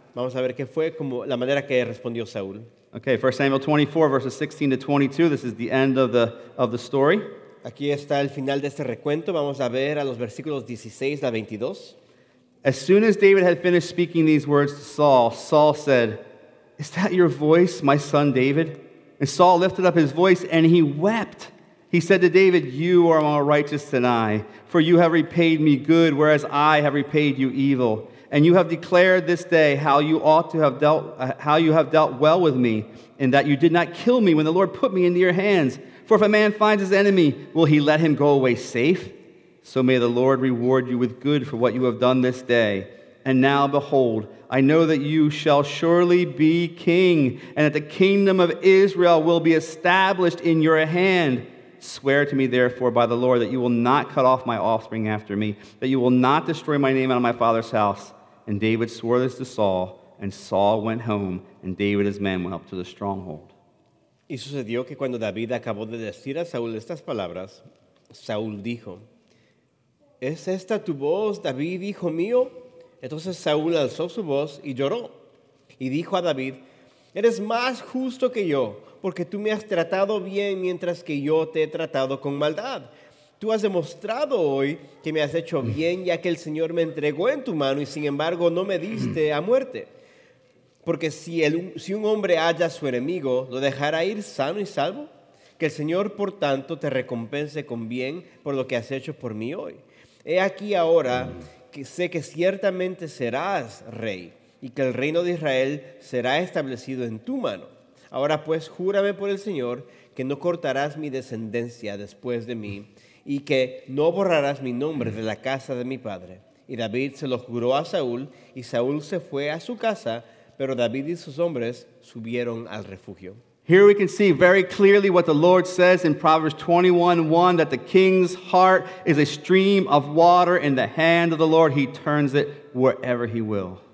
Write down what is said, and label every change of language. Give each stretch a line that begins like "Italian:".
Spanish: Vamos a ver qué fue como la manera que respondió Saúl.
English: Okay, 1 Samuel 24, verses 16 to 22. This is the end of the story.
Spanish: Aquí está el final de este recuento. Vamos a ver a los versículos 16 a 22.
English: As soon as David had finished speaking these words to Saul, Saul said, "Is that your voice, my son David?" And Saul lifted up his voice and he wept. He said to David, "You are more righteous than I, for you have repaid me good, whereas I have repaid you evil. And you have declared this day how you ought to have dealt, how you have dealt well with me, and that you did not kill me when the Lord put me into your hands. For if a man finds his enemy, will he let him go away safe? So may the Lord reward you with good for what you have done this day. And now, behold, I know that you shall surely be king, and that the kingdom of Israel will be established in your hand. Swear to me, therefore, by the Lord, that you will not cut off my offspring after me, that you will not destroy my name out of my father's house." And David swore this to Saul, and Saul went home, and David and his men went up to the stronghold.
Spanish: Y sucedió que cuando David acabó de decir a Saúl estas palabras, Saúl dijo, ¿Es esta tu voz, David, hijo mío? Entonces Saúl alzó su voz y lloró. Y dijo a David, Eres más justo que yo, porque tú me has tratado bien mientras que yo te he tratado con maldad. Tú has demostrado hoy que me has hecho bien, ya que el Señor me entregó en tu mano y sin embargo no me diste a muerte. Porque si un hombre halla a su enemigo, ¿lo dejará ir sano y salvo? Que el Señor, por tanto, te recompense con bien por lo que has hecho por mí hoy. He aquí ahora que sé que ciertamente serás rey y que el reino de Israel será establecido en tu mano. Ahora pues, júrame por el Señor que no cortarás mi descendencia después de mí y que no borrarás mi nombre de la casa de mi padre. Y David se lo juró a Saúl y Saúl se fue a su casa, pero David y sus hombres subieron al refugio.
English: Here we can see very clearly what the Lord says in Proverbs 21:1, that the king's heart is a stream of water in the hand of the Lord. He turns it wherever he will.